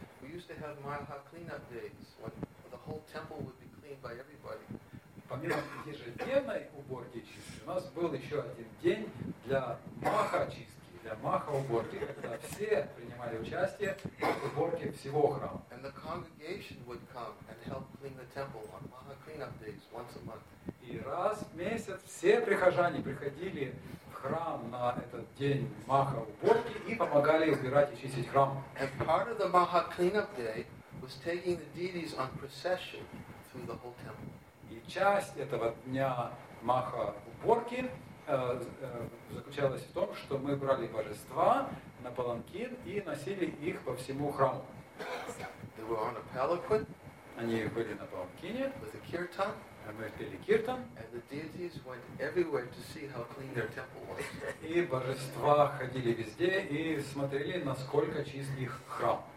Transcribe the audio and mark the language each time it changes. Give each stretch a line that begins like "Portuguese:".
English: We used to have Maha cleanup days, when the whole temple would be cleaned by everybody.
Russian: Помимо ежедневной уборки чистки, у нас был еще один день для маха-чистки, для маха-уборки, когда все принимали участие в уборке всего храма.
English: And the congregation would come and help clean the temple on maha cleanup days once a month.
Russian: И раз в месяц все прихожане приходили в храм на этот день маха-уборки и помогали убирать и чистить храм.
English: And part of the maha cleanup day was taking the deities on procession through the whole temple.
Russian: И часть этого дня маха-уборки заключалась в том, что мы брали божества на паланкин и носили их по всему храму.
English: They were on a palanquin.
Russian: Они были на паланкине.
English: With a kirtan.
Russian: Мы пели киртан.
English: And the deities went everywhere to see how clean their temple was.
Russian: И божества ходили везде и смотрели, насколько чист их храм.